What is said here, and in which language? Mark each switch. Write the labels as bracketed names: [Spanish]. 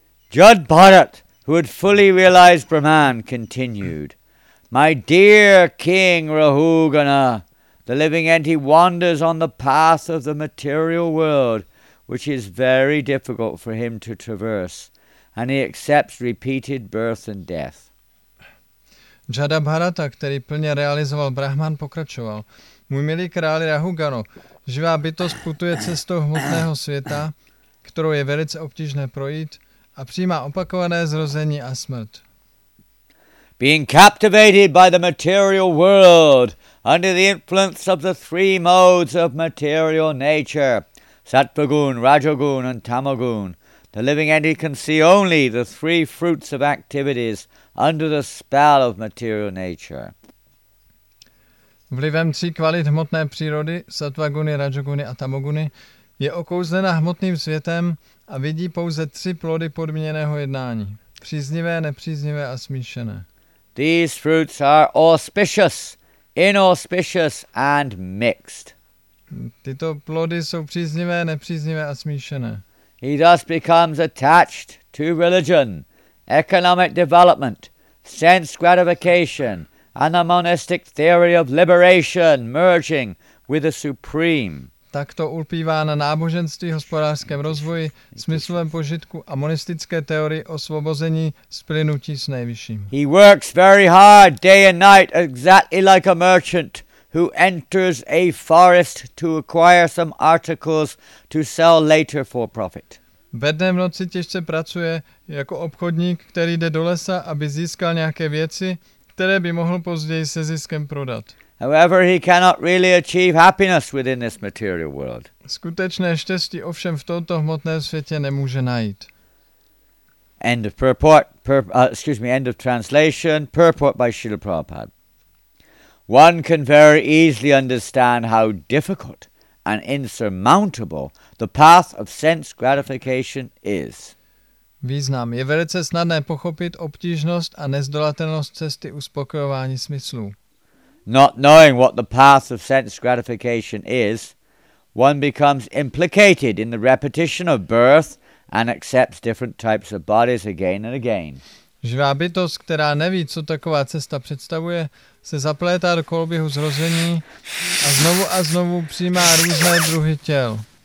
[English] Judd Bharat, who had fully realized Brahman, continued, My dear King Rahugana, the living entity wanders on the path of the material world, which is very difficult for him to traverse. And he accepts repeated birth and death. [Czech] Jada Bharata, který plně realizoval Brahman, pokračoval. Můj milý králi Rahugano, živá bytost putuje cestou hmotného světa, kterou je velice obtížné projít, a přijímá opakované zrození a smrt. [English] Being captivated by the material world, under the influence of the three modes of material nature, Sattvagun, Rajagun and Tamagun, The living entity can see only the three fruits of activities under the spell of material nature. [Czech] Vlivem tří kvalit hmotné přírody, sattvaguny, rajoguny a tamoguny, je okouzlena hmotným světem a vidí pouze tři plody podmíněného jednání, příznivé, nepříznivé a smíšené. [English] These fruits are auspicious, inauspicious and mixed. [Czech] Tyto plody jsou příznivé, nepříznivé a smíšené. [English] He thus becomes attached to religion, economic development, sense gratification, and the monistic theory of liberation merging with the supreme. [Czech] Takto ulpívá na náboženství, hospodářském rozvoji, smyslovém požitku a monistické teorii osvobození splynutí s nejvyšším. [English] He works very hard day and night, exactly like a merchant who enters a forest to acquire some articles to sell later for profit. [Czech] Ve dne v noci těžce pracuje jako obchodník, který jde do lesa, aby získal nějaké věci, které by mohl později se ziskem prodat. [English] However, he cannot really achieve happiness within this material world. [Czech] Skutečné štěstí ovšem v tomto hmotném světě nemůže najít. [English] End of purport, end of translation, purport by Srila Prabhupada. One can very easily understand how difficult and insurmountable the path of sense gratification is. [Czech] Význam. Je velice snadné pochopit obtížnost a nezdolatelnost cesty uspokojování smyslů. [English] Not knowing what the path of sense gratification is, one becomes implicated in the repetition of birth and accepts different types of bodies again and again. [Czech] Živá bytost, která neví, co taková cesta představuje, se zaplétá do koloběhu zrození a znovu přijímá různé druhy těl.